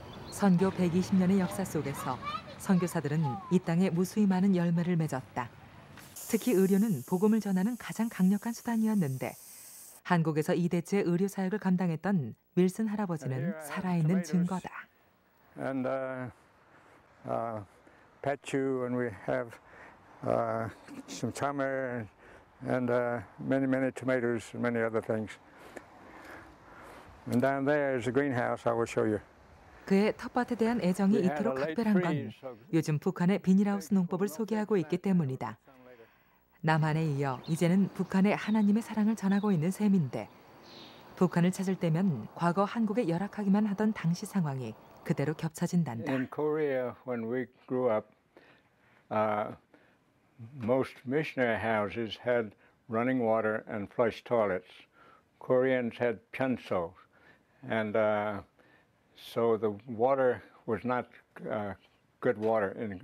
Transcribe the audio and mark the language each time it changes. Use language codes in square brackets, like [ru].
[ko] 선교 120년의 역사 속에서 선교사들은 이 땅에 무수히 많은 열매를 맺었다. 특히 의료는 복음을 전하는 가장 강력한 수단이었는데 한국에서 이 대체 의료 사역을 감당했던 밀슨 할아버지는 살아있는 증거다. [en] And patchou and we have some tamari and many tomatoes and many other things. And down there is a greenhouse I will show you. [ko] 그의 텃밭에 대한 애정이 이토록 특별한 건 요즘 북한의 비닐하우스 농법을 소개하고 있기 때문이다. 남한에 이어 이제는 북한의 하나님의 사랑을 전하고 있는 셈인데 북한을 찾을 때면 과거 한국에 열악하기만 하던 당시 상황이 그대로 겹쳐진단다. [en] In Korea, when we grew up, most missionary houses had running water and flush toilets. Koreans had pyeonso. And so the water was not good water.